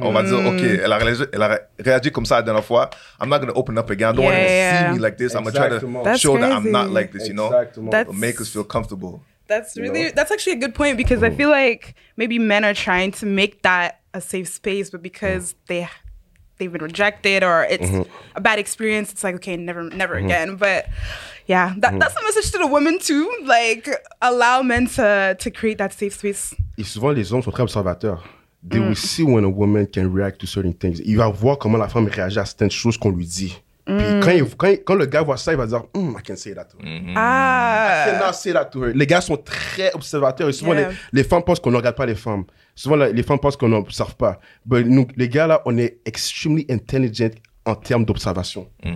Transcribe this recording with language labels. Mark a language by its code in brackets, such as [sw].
[fr] On va dire, OK, elle a réagi comme ça la dernière fois. [en] I'm not going to open up again. I don't want her to see me like this. Exactly. I'm going to try to show that I'm not like this, you know? Make us feel comfortable. That's actually a good point because I feel like maybe men are trying to make that a safe space, but because they've been rejected or it's a bad experience, it's like, OK, never again. But yeah, that's a message to the women too. Like, allow men to create that safe space. [fr] Et souvent, les hommes sont très observateurs. [en] They will see when a woman can react to certain things. [fr] Il va voir comment la femme réagit à certaines choses qu'on lui dit. Puis quand le gars voit ça, il va dire, [en] I can say that to her. Ah. I cannot say that to her. [fr] Les gars sont très observateurs. Et souvent, les femmes pensent qu'on ne regarde pas les femmes. Souvent, les femmes pensent qu'on n'observe pas. Mais nous, les gars, là, on est extremely intelligent en termes d'observation.